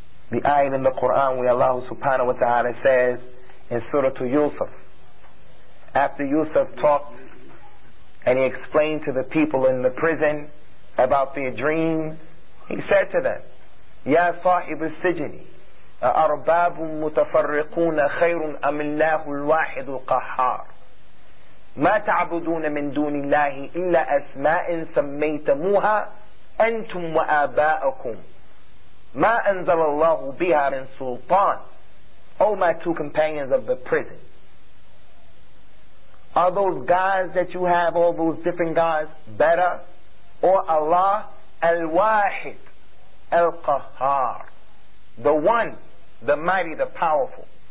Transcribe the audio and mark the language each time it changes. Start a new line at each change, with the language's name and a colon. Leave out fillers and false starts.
English: The ayat in the Quran where Allah subhanahu wa ta'ala says in Surah to Yusuf, after Yusuf talked and he explained to the people in the prison about their dreams, he said to them,
Arabic: Ya sahib al-sijni, a'arbabun mutafarriquna khayrun amillahu al-wahidu al-qahhar. ما تعبدون من دون الله إلا أسماء سميتموها أنتم وآباؤكم ما أنزل الله بها من سلطان.
English: Oh, my two companions of the prison, are those gods that you have, all those different gods, better or Allah
Arabic: الواحد القهار,
English: the one, the mighty, the powerful?